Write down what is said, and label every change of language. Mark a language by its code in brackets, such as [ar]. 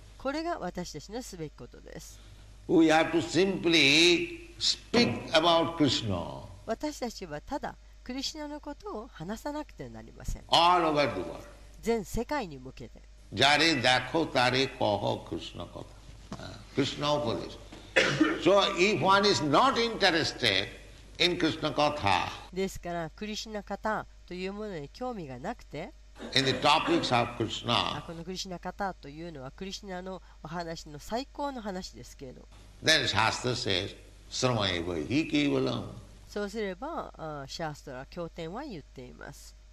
[ja] これが私たちのすべきことです。 [en] We have to simply speak about Krishna. [ja] 私たちはただクリシナのことを話さなくてはなりません。 [en] All over the world. [ja] 全世界に向けて。 [bn] ジャリダクタリコホクリシナコタ。クリシナオプデシ。 [en] So if one is not interested in Krishna Katha, [ja] ですからクリシナカタというものに興味がなくて、 [en] In the topics of Krishna, [ja] このクリシナカタというのはクリシナのお話の最高の話ですけれど、 [en] Then Shastra says, [sa] Sramayeva Hiki Valam. [ja] そうすれば、シャストラ経典は言っています。